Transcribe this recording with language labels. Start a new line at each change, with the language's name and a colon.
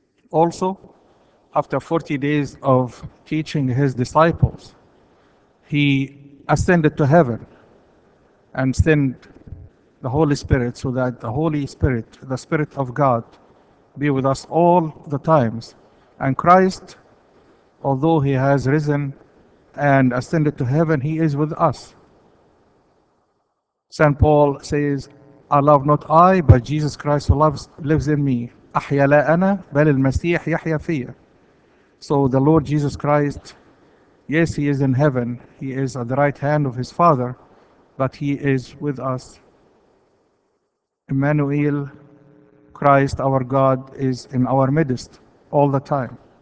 English: Also, after 40 days of teaching his disciples, he ascended to heaven and sent the Holy Spirit, so that the Holy Spirit, the Spirit of God, be with us all the times. And Christ, although he has risen and ascended to heaven, he is with us. St. Paul says, I love not I, but Jesus Christ who lives in me.
Arabic: أحيا لا أنا بل المسيح يحيا فيا.
English: So the Lord Jesus Christ, yes, he is in heaven. He is at the right hand of his Father, but he is with us. Emmanuel, Christ, our God, is in our midst all the time.